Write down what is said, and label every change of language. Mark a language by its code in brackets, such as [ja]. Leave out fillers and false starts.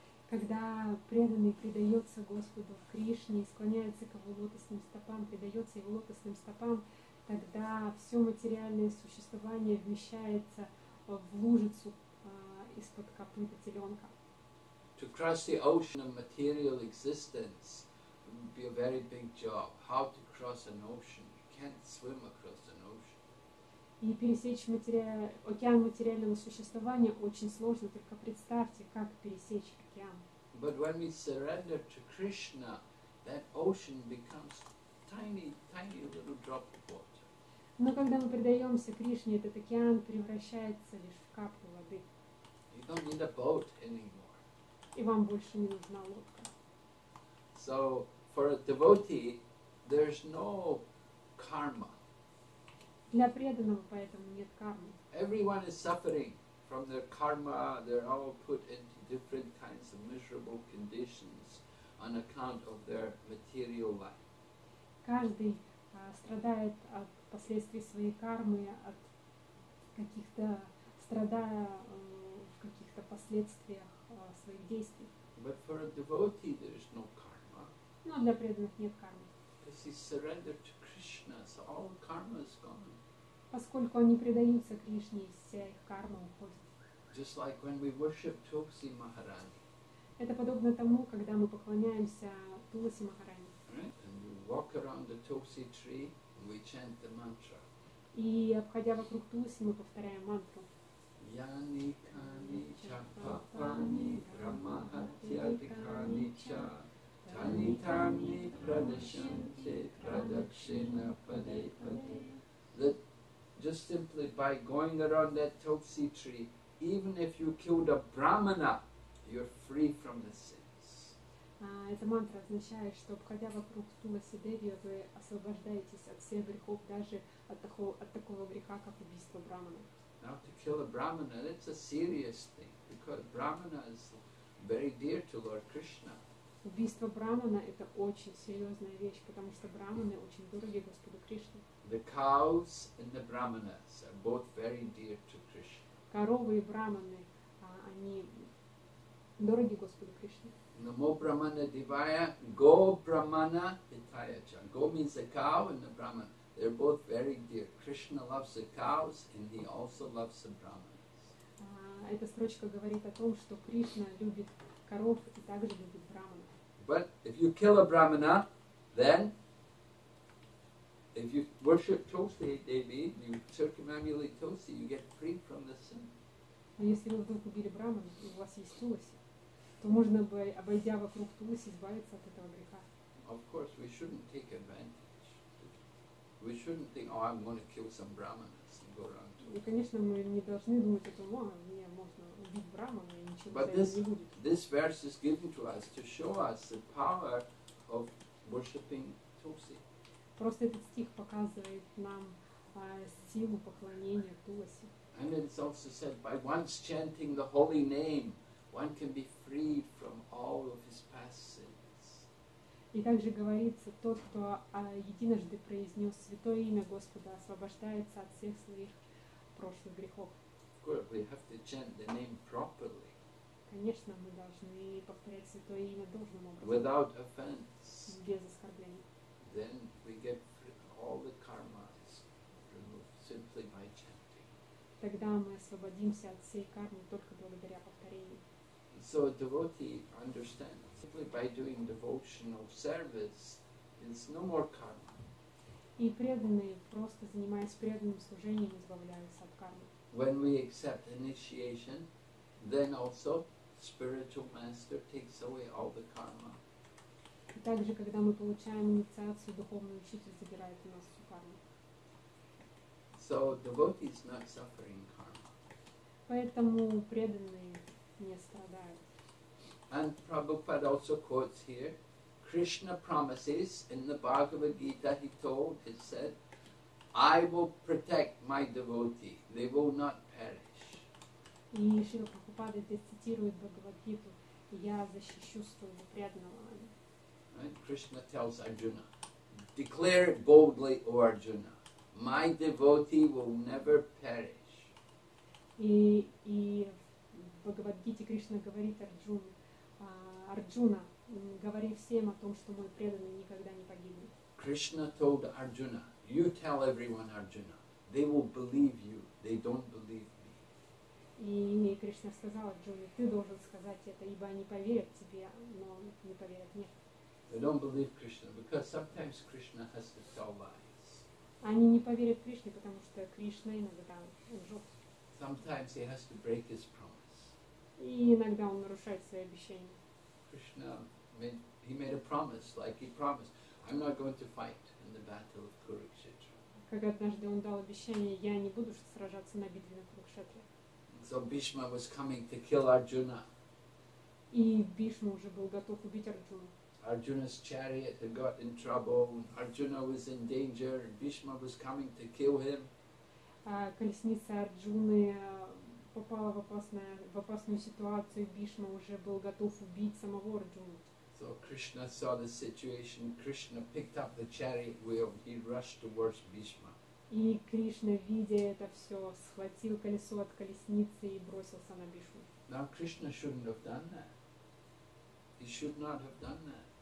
[ru] Когда преданный предается Господу в Кришне и склоняется к его лотосным стопам, предается его лотосным стопам, тогда все материальное существование вмещается в лужицу из-под копыта теленка. [en] To cross the ocean of material existence would be a very big job. How to cross an ocean? You can't swim across an ocean. [ru] И пересечь океан материального существования очень сложно, только представьте, как пересечь океан. [en] But when we surrender to Krishna, that ocean becomes tiny, tiny little drop of water. [ru] Но когда мы предаемся Кришне, этот океан превращается лишь в каплю воды. [en] You don't need a boat anymore. [ru] И вам больше не нужна лодка. [en] So for a devotee, there's no karma. [ru] Для преданного поэтому нет кармы. [en] Everyone is suffering from their karma. They're all put into different kinds of miserable conditions on account of their material life. [ru] Каждый страдает от последствий своей кармы, от каких-то страдая в каких-то последствиях своих действий. [en] But for a devotee, there is no karma. [ru] Но для преданных нет кармы. [en] Because he surrendered to Krishna, so all karma is gone. [ru] Поскольку они предаются Кришне, вся их карма уходит. [en] Just like when we worship Tulsi Maharani. [ru] Это подобно тому, когда мы поклоняемся Туласи Махарани. [en] Right? And we walk around the Tulsi tree and we chant the mantra. [ru] И обходя вокруг Туласи, мы повторяем мантру. [sa] Яни кани ча папани брамахатьядикани ча тани тани прадашанте прадакшина паде паде. [en] just simply by going around that Tulsi tree, even if you killed a Brahmana, you're free from the sins. [ru] Эта мантра означает, что обходя вокруг Туласи Деви, вы освобождаетесь от всех грехов, даже от такого греха, как убийство Брахмана. [en] Now to kill a Brahmana, that's a serious thing, because Brahmana is very dear to Lord Krishna. [ru] Убийство Брахмана – это очень серьезная вещь, потому что Брахманы очень дороги Господу Кришне. [en] The cows and the Brahmanas are both very dear to Krishna. [ru] Коровы и Брахманы, они дороги Господу Кришне. [sa] Namo Brahmana Devaya, Go Brahmana Hitaya Cha. [en] Go means the cow and the Brahmana. They're both very dear. Krishna loves the cows and he also loves the Brahmanas. [ru] Эта строчка говорит о том, что Кришна любит коров и также любит Брахмана. [en] But if you kill a Brahmana, then if you worship Tulsi Devi, you circumambulate Tulsi, you get free from the sin. [ru] Но если вы вдруг убили Брахмана и у вас есть Тулси, то можно бы, обойдя вокруг Тулси, избавиться от этого греха. [en] Of course, we shouldn't take advantage. We shouldn't think, oh, I'm going to kill some Brahmanas and go around to it. [ru] Конечно, мы не должны думать о том, а мне можно убить Брахмана и ничего. [en] But this verse is given to us to show us the power of worshipping Tulsi. [ru] Просто этот стих показывает нам силу поклонения Туласи. [en] And it's also said, by once chanting the holy name, one can be freed from all of his past sins. [ru] И также говорится, тот, кто единожды произнес святое имя Господа, освобождается от всех своих прошлых грехов. [en] We have to chant the name properly. [ru] Конечно, мы должны повторять святое имя должным образом. [en] Without offense. [ru] Без оскорблений. [en] Then we get all the karmas removed simply by chanting. [ru] Тогда мы освободимся от всей кармы только благодаря повторению. [en] So a devotee understands simply by doing devotional service, it's no more karma. [ru] И преданные, просто занимаясь преданным служением, избавляются от кармы. [en] When we accept initiation, then also spiritual master takes away all the karma. [ru] И также, когда мы получаем инициацию, духовный учитель забирает у нас всю карму. [en] So devotee is not suffering karma. [ru] Поэтому преданные не страдают. [en] And Prabhupada also quotes here, Krishna promises in the Bhagavad Gita, he told, he said, I will protect my devotee, they will not perish. [ru] И Шрила Прабхупада здесь цитирует Бхагавад-гиту, я защищу своего преданного. [en] And Krishna tells Arjuna, declare it boldly, O Arjuna, my devotee will never perish. [ru] И в Бхагавад-гите Кришна говорит Арджуне, Арджуна, говори всем о том, что мой преданный никогда не погибнет. [en] Krishna told Arjuna, you tell everyone, Arjuna, they will believe you, they don't believe me. [ru] И Кришна сказал Арджуне, ты должен сказать это, ибо они поверят тебе, но не поверят мне. [en] They don't believe Krishna, because sometimes Krishna has to tell lies. [ru] Они не поверят Кришне, потому что Кришна иногда лжет. [en] Sometimes he has to break his promise. [ru] И иногда он нарушает свои обещания. [en] Krishna made a promise, like he promised, I'm not going to fight in the battle of Kurukshetra. [ru] Как однажды он дал обещание, я не буду сражаться на битве на Курукшетре. [en] So Bhishma was coming to kill Arjuna. [ru] И Бхишма уже был готов убить Арджуну. [en] Arjuna's chariot had got in trouble, Arjuna was in danger, Bhishma was coming to kill him. [ru] Колесница Арджуны попала в опасную ситуацию, Бхишма уже был готов убить самого Арджуну. [en] So Krishna saw the situation, Krishna picked up the chariot wheel, he rushed towards Bhishma. [ru] И Кришна, видя это все, схватил колесо от колесницы и бросился на Бхишму. [en] Now Krishna shouldn't have done that. He should not have done that.